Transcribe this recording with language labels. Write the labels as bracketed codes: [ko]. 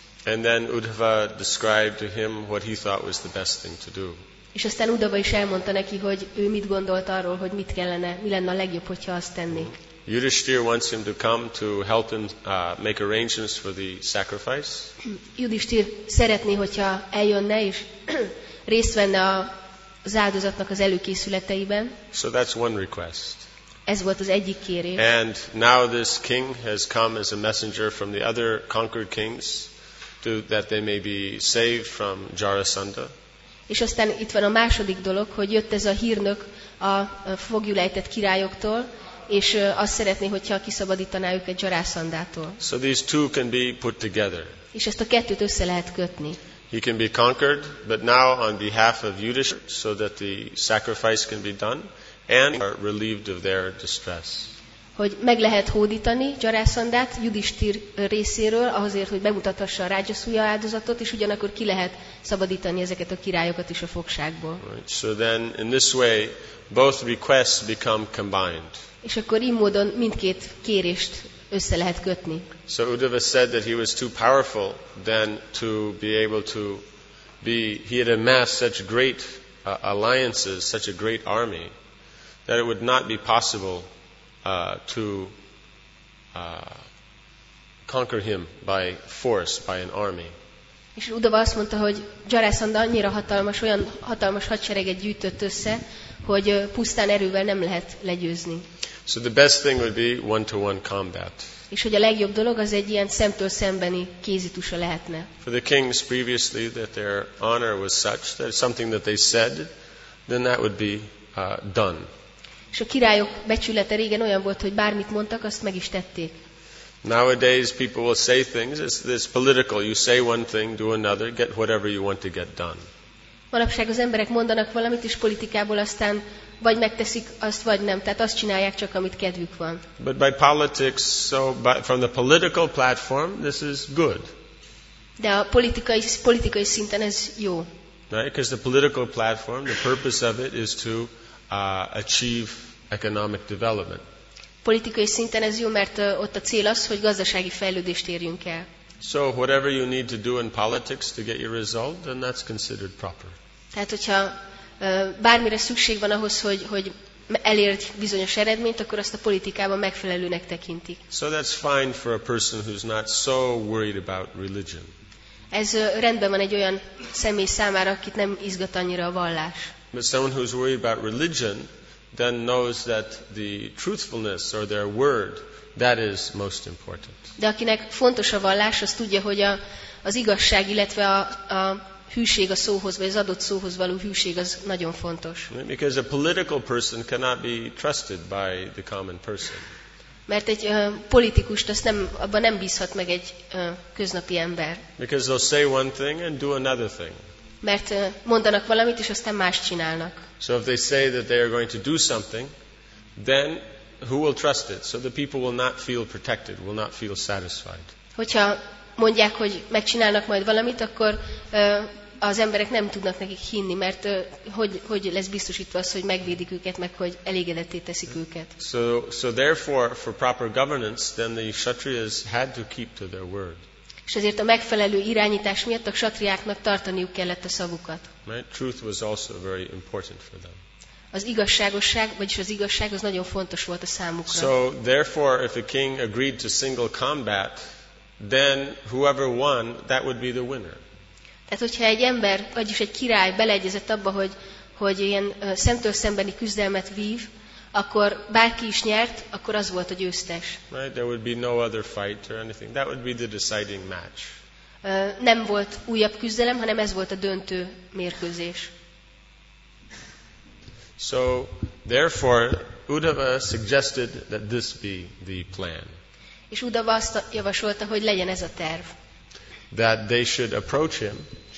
[en] And then Uddhava described to him what he thought was the best thing to do. [hu] És aztán Uddhava is elmondta neki, hogy ő mit gondolt arról, hogy mit kellene, mi lenne a legjobb, hogyha azt tennék. [en] Yudhishthira wants him to come to help him make arrangements for the sacrifice. [hu] Yudhishthira szeretné, hogyha eljönne és részt venne az áldozatnak az előkészületeiben. [en] So that's one request. [hu] Ez volt az egyik kérés. [en] And now this king has come as a messenger from the other conquered kings, that they may be saved from Jarasandha. [hu] És aztán itt van a második dolog, hogy jött ez a hírnök a foglyul ejtett királyoktól, és azt szeretné, hogyha kiszabadítaná őket Jarasandától. [en] So these two can be put together. [hu] És ezt a kettőt össze lehet kötni. [en] He can be conquered, but now on behalf of Yudhishthira, so that the sacrifice can be done, and are relieved of their distress. [hu] Hogy meg lehet hódítani Jarasandhát Yudhishthir részéről, azért, hogy bemutathassa a Rajasuya áldozatot, és ugyanakkor ki lehet szabadítani ezeket a királyokat is a fogságból. [en] Right. So then, in this way, both requests become combined. [hu] És akkor így módon mindkét kérést össze lehet kötni. [en] So Uddhava said that he was too powerful then to be able to be, he had amassed such great alliances, such a great army, that it would not be possible to conquer him by force, by an army. [hu] És Uddhava azt mondta, hogy Jarasandha annyira hatalmas, olyan hatalmas hadsereget gyűjtött össze, hogy pusztán erővel nem lehet legyőzni. [en] So the best thing would be one-to-one combat. [hu] És hogy a legjobb dolog az egy ilyen szemtől szembeni kézitusa lehetne. [en] For the kings previously that their honor was such that something that they said, then that would be done. [hu] És a királyok becsülete régen olyan volt, hogy bármit mondtak, azt meg is tették. [en] Nowadays people will say things, it's political, you say one thing, do another, get whatever you want to get done. [hu] Manapság az emberek mondanak valamit is politikából, aztán vagy megteszik azt, vagy nem. Tehát azt csinálják csak, amit kedvük van. [en] But by politics, so by, from the political platform, this is good. [hu] De a politikai szinten ez jó. [en] Right? Because the political platform, the purpose of it is to achieve economic development. [hu] Politikai szinten ez jó, mert ott a cél az, hogy gazdasági fejlődést érjünk el. [en] So whatever you need to do in politics to get your result, then that's considered proper. [hu] Tehát hogyha bármire szükség van ahhoz, hogy elérj bizonyos eredményt, akkor azt a politikában megfelelőnek tekintik. [en] So that's fine for a person who's not so worried about religion. [hu] Ez rendben van egy olyan személy számára, akit nem izgat annyira a vallás. [en] But someone who's worried about religion then knows that the truthfulness or their word, that is most important. [hu] De akinek fontos a vallás, az tudja, hogy az igazság, illetve a hűség a szóhoz, vagy az adott szóhoz való hűség, az nagyon fontos. [en] Because a political person cannot be trusted by the common person. [hu] Mert egy politikust, azt nem, abban nem bízhat meg egy köznapi ember. [en] Because they'll say one thing and do another thing. [hu] Mert mondanak valamit, és aztán más csinálnak. [en] So if they say that they are going to do something, then who will trust it? So the people will not feel protected, will not feel satisfied. [hu] Hogyha mondják, hogy megcsinálnak majd valamit, akkor az emberek nem tudnak nekik hinni, mert hogy lesz biztosítva az, hogy megvédik őket, meg hogy elégedetté teszik őket. [en] So therefore, for proper governance, then the kshatriyas had to keep to their word. [hu] És ezért a megfelelő irányítás miatt a kshatriáknak tartaniuk kellett a szavukat. [en] Truth was also very important for them. [hu] Az igazságosság, vagyis az igazság, az nagyon fontos volt a számukra. [en] So therefore, if a king agreed to single combat, then whoever won, that would be the winner. [hu] Tehát, hogyha egy ember, vagyis egy király beleegyezett abba, hogy ilyen szemtől szembeni küzdelmet vív, akkor bárki is nyert, akkor az volt a győztes. [en] Right, there would be no other fight or anything. That would be the deciding match. [hu] Nem volt újabb küzdelem, hanem ez volt a döntő mérkőzés. [en] So, therefore, Uddhava suggested that this be the plan. [hu] És Uddhava azt javasolta, hogy legyen ez a terv. [en] That they should approach him.